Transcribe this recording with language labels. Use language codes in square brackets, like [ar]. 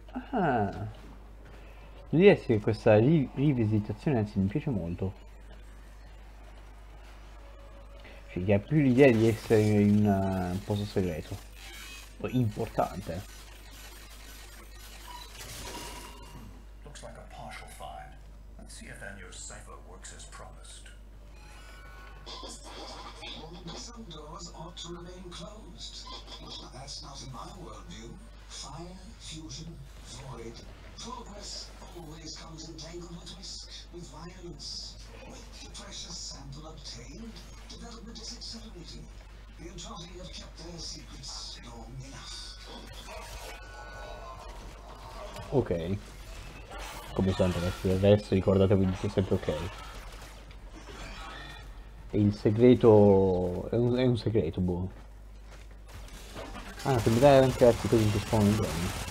[it] Devo dire che questa rivisitazione anzi mi piace molto. Che ha più l'idea di essere in un posto segreto importante. [en] Looks like a partial find. Let's see if Anya's cipher works as promised. Some doors ought to remain closed. Well, that's not in my worldview. Fire, fusion, void. Progress always comes entangled with risk, with violence. With the precious sample obtained, development is accelerating. The Entropy have kept their secrets long enough. [it] Ok, come sempre ragazzi, adesso ricordatevi che è sempre ok. E il segreto è un segreto, boh. Ah, che mi dai anche altri cosi che spawnano i droni.